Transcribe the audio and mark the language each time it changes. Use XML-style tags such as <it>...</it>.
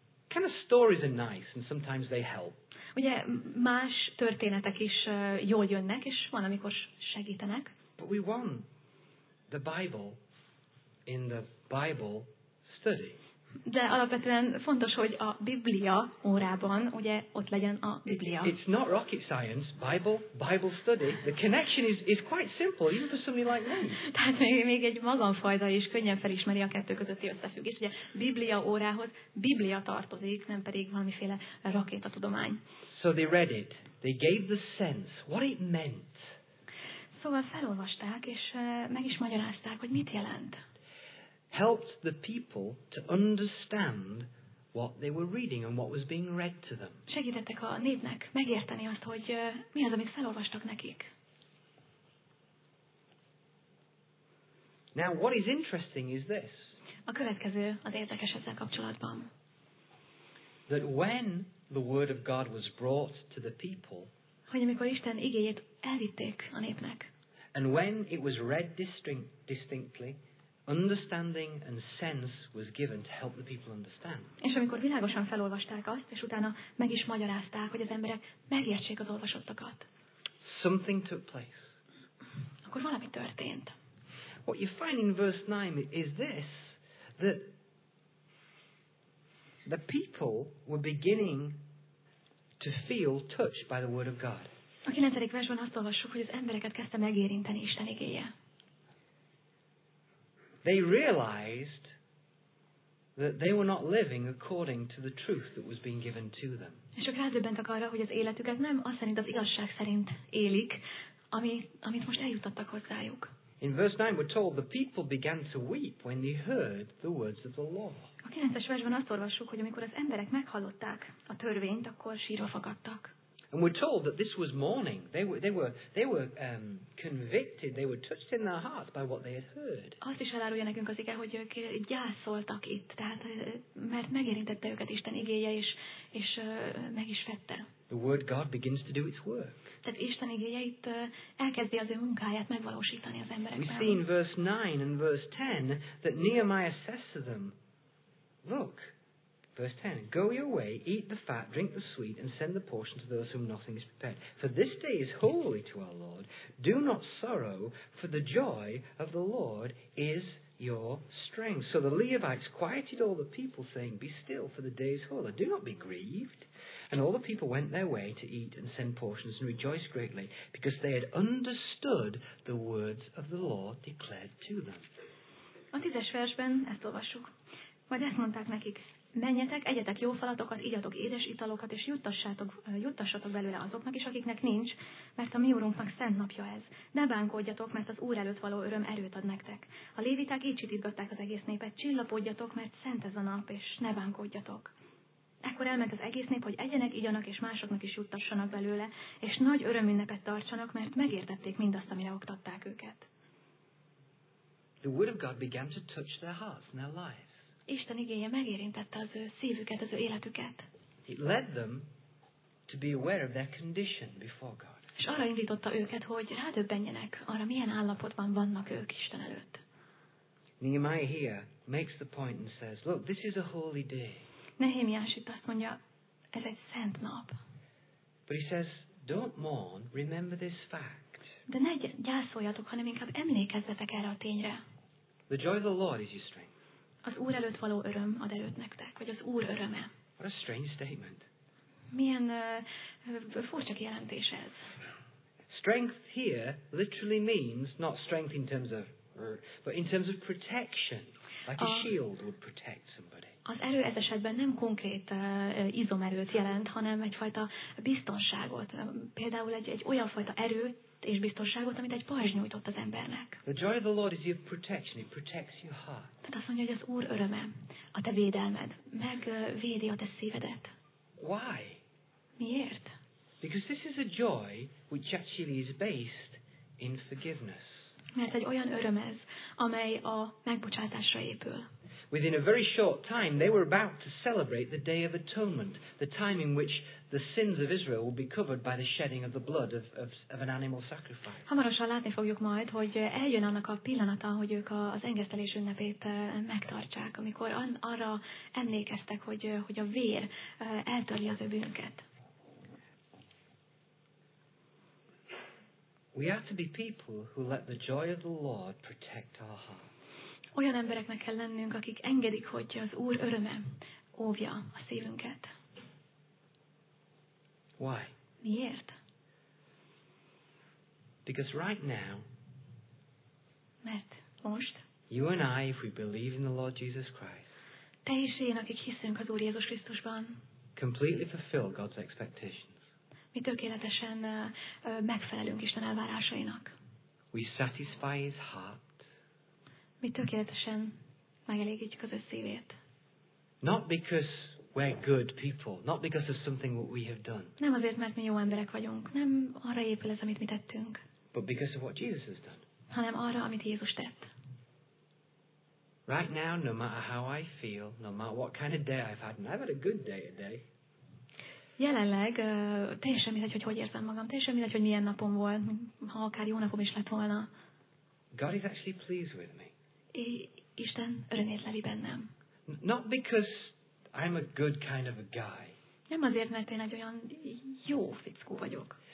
<en>Kind of stories are nice, and sometimes they help.</en> <hu>Ugye más történetek is jól jönnek, és van, amikor segítenek.</hu> <en>But we want the Bible in the Bible study.</en> <hu>De alapvetően fontos, hogy a Biblia órában, ugye, ott legyen a Biblia.</hu> <en>It's not rocket science, Bible study. The connection is quite simple, even for somebody like me.</en> <hu>Tehát még egy magamfajta is könnyen felismeri a kettő közötti összefüggést. Ugye, Biblia órához Biblia tartozik, nem pedig valamiféle rakétatudomány.</hu> <en>So they read it. They gave the sense, what it meant.</en> <hu>Szóval felolvasták, és meg is magyarázták, hogy mit jelent.</hu> <en>Helped the people to understand what they were reading and what was being read to them.</en> <hu>Segítettek a népnek megérteni azt, hogy mi az, amit felolvastak nekik.</hu> <en>Now, what is interesting is this.</en> <hu>A következő az érdekes ezzel kapcsolatban.</hu> <en>That when the word of God was brought to the people,</en> <hu>hogy amikor Isten igéjét elvitték a népnek,</hu> <en>and when it was read distinctly, understanding and sense was given to help the people understand.</en> <hu>És amikor világosan felolvasták azt, és utána meg is magyarázták, hogy az emberek megértsék az olvasottakat.</hu> <en>Something took place.</en> <hu>Akkor valami történt.</hu> <en>What you find in verse 9 is this, that the people were beginning to feel touched by the word of God.</en> <hu>A 9. versben azt olvassuk, hogy az embereket kezdte megérinteni Isten igéje.</hu> <en>They realized that they were not living according to the truth that was being given to them.</en> <hu>És akkor rádöbbentek arra, hogy az életüket nem az szerint, az igazság szerint élik, amit most eljutottak hozzájuk.</hu> <en>In verse 9 we're told the people began to weep when they heard the words of the law.</en> <hu>A 9. versben azt olvassuk, hogy amikor az emberek meghallották a törvényt, akkor sírva fakadtak.</hu> <en>And we're told that this was mourning. They were convicted. They were touched in their hearts by what they had heard.</en> <hu>Azt is elárulja nekünk az ige, hogy ők gyászoltak itt, tehát mert megérintette őket Isten igéje, és meg is vette.</hu> <en>The word God begins to do its work.</en> <hu>Tehát Isten igéje itt elkezdi az ő munkáját megvalósítani az emberekben.</hu> <en>We see in verse 9 and verse 10 that Nehemiah says to them, look. Verse 10, go your way, eat the fat, drink the sweet, and send the portion to those whom nothing is prepared. For this day is holy to our Lord. Do not sorrow, for the joy of the Lord is your strength. So the Levites quieted all the people, saying, be still, for the day is holy. Do not be grieved. And all the people went their way to eat and send portions and rejoice greatly, because they had understood the words of the law declared to them.</en> <hu>A 10. versben ezt olvassuk. Majd ezt mondták nekik: menjetek, egyetek jó falatokat, igyatok édes italokat, és juttassatok belőle azoknak is, akiknek nincs, mert a mi úrunknak szent napja ez. Ne bánkodjatok, mert az Úr előtt való öröm erőt ad nektek. A léviták így csitítgatták az egész népet: csillapodjatok, mert szent ez a nap, és ne bánkodjatok. Ekkor elment az egész nép, hogy egyenek, igyanak, és másoknak is juttassanak belőle, és nagy örömünnepet tartsanak, mert megértették mindazt, amire oktatták őket.</hu> <en>The word of God began to touch their hearts and their lives.</en> <hu>Isten igéje megérintette az ő szívüket, az ő életüket.</hu> <en>It led them to be aware of their condition before God.</en> <hu>És arra indította őket, hogy rádöbbenjenek arra, milyen állapotban vannak ők Isten előtt.</hu> <en>Nehemiah here makes the point and says, look, this is a holy day.</en> <hu>Nehémiás itt azt mondja, ez egy szent nap.</hu> <en>But he says, don't mourn, remember this fact.</en> <hu>De ne gyászoljatok, hanem inkább emlékezzetek erre a tényre.</hu> <en>The joy of the Lord is your strength.</en> <hu>Az Úr előtt való öröm ad erőt nektek, vagy az Úr öröme.</hu> <en>What a strange statement.</en> <hu>Milyen furcsa kijelentés ez.</hu> <en>Strength here literally means not strength in terms of but in terms of protection, like a shield would protect somebody.</en> <hu>Az erő ez esetben nem konkrét izomerőt jelent, hanem egyfajta biztonságot. Például egy olyan fajta erőt és biztonságot, amit egy pajzs nyújtott az embernek.</hu> <en>The joy of the Lord is your protection. It protects your heart.</en> <hu>Tehát azt mondja, hogy az Úr öröme, a te védelmed, megvédi a te szívedet.</hu> <en>Why?</en> <hu>Miért?</hu> <en>Because this is a joy which actually is based in forgiveness.</en> <hu>Mert egy olyan öröm ez, amely a megbocsátásra épül.</hu> <en>Within a very short time, they were about to celebrate the Day of Atonement, the time in which the sins of Israel will be covered by the shedding of the blood of an animal sacrifice.</en> <hu>Hamarosan látni fogjuk majd, hogy eljön annak a pillanata, hogy ők az engesztelés ünnepét megtartsák, amikor arra emlékeztek, hogy a vér eltörli az ő bűnket.</hu> <en>We are to be people who let the joy of the Lord protect our heart.</en> <hu>Olyan embereknek kell lennünk, akik engedik, hogy az Úr öröme óvja a szívünket.</hu> <en>Why?</en> <hu>Miért?</hu> <en>Because right now.</en> <hu>Mert most.</hu> <en>You and I, if we believe in the Lord Jesus Christ.</en> <hu>Te és én, akik hiszünk az Úr Jézus Krisztusban.</hu> <en>Completely fulfill God's expectations.</en> <hu>Mi tökéletesen megfelelünk Isten elvárásainak.</hu> <en>We satisfy his heart.</en> <hu>Mi tökéletesen megelégítjük az ő szívét.</hu> <en>Not because we're good people, not because of something that we have done.</en> <hu>Nem azért, mert mi jó emberek vagyunk, nem arra épül ez, amit mi tettünk.</hu> <en>But because of what Jesus has done.</en> <hu>Hanem arra, amit Jézus tett.</hu> <en>Right now, no matter how I feel, no matter what kind of day I've had, and I've had a good day today.</en> <hu>Jelenleg teljesen mindegy, hogy érzem magam, teljesen mindegy, hogy milyen napom volt, ha akár jó napom is lett volna.</hu> <en>God is actually pleased with me.</en> <hu>Isten örömét leli bennem.</hu> <en>Not because I'm a good kind of a guy.</en> <hu>Nem azért, mert én egy olyan jó fickó vagyok.</hu>